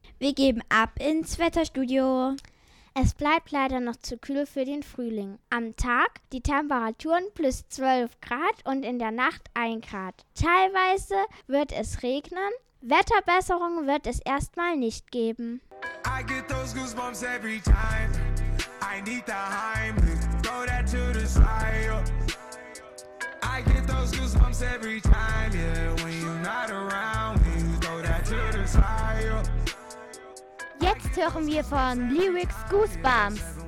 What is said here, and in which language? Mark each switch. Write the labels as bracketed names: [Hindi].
[German] Wir geben ab ins Wetterstudio. Es bleibt leider noch zu kühl für den Frühling. Am Tag die Temperaturen plus 12 Grad und in der Nacht 1 Grad. Teilweise wird es regnen. Wetterbesserungen wird es erstmal nicht geben. [English] I get those goosebumps every time. I need the Heimlich. Throw that to the side. I get those goosebumps every time. Yeah, when you're not around me. Throw that to the side. [German] Jetzt hören wir von Lyrics Goosebumps.